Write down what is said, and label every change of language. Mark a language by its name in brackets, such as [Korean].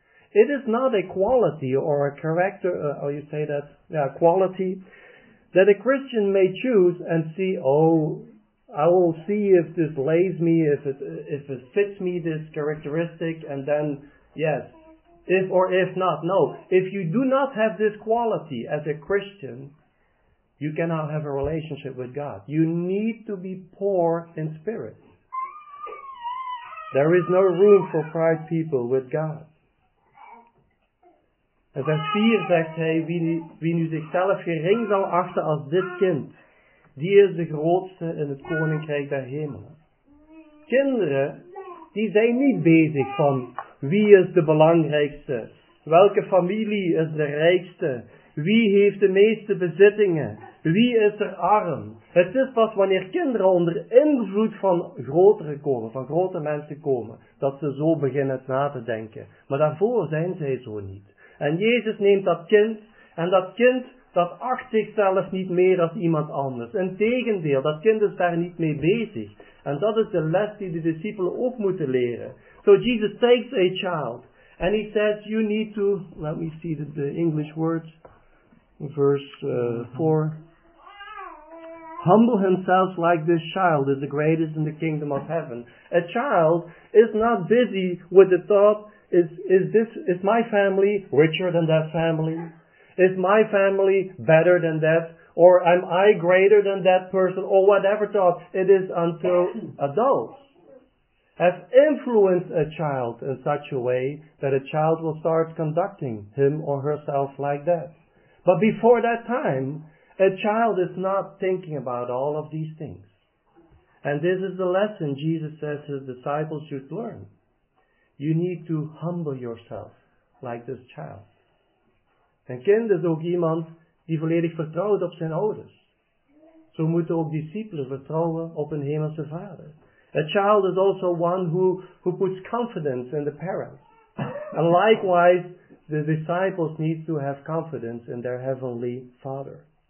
[English] It is not a quality or a character, quality, that a Christian may choose and see, oh, I will see if this lays me, if it fits me, this characteristic, and then, yes, if or if not. No, if you do not have this quality as a Christian, you cannot have a relationship with God. You need to be poor in spirit. There is no room for pride people with God. [Dutch] En vers 4 zegt hij, wie nu zichzelf gering zal achten als dit kind, die is de grootste in het koninkrijk der hemelen. Kinderen, die zijn niet bezig van wie is de belangrijkste, welke familie is de rijkste, wie heeft de meeste bezittingen, wie is er arm. Het is pas wanneer kinderen onder invloed van grotere komen, van grote mensen komen, dat ze zo beginnen na te denken. Maar daarvoor zijn zij zo niet. En Jezus neemt dat kind, en dat kind dat acht zichzelf niet meer als iemand anders. Integendeel, dat kind is daar niet mee bezig. En dat is de les die de discipelen ook moeten leren. [English] So Jesus takes a child, and he says, you need to, let me see the English words, verse 4. Humble himself like this child is the greatest in the kingdom of heaven. A child is not busy with the thought, Is my family richer than that family? Is my family better than that? Or am I greater than that person? Or whatever thought it is until adults have influenced a child in such a way that a child will start conducting him or herself like that. But before that time, a child is not thinking about all of these things. And this is the lesson Jesus says his disciples should learn. You need to humble yourself like this child. [Dutch] Een kind is ook iemand die volledig vertrouwt op zijn ouders. Zo moeten ook discipelen vertrouwen op een hemelse vader. [English] A child is also one who puts confidence in the parents. And likewise, the disciples need to have confidence in their heavenly father.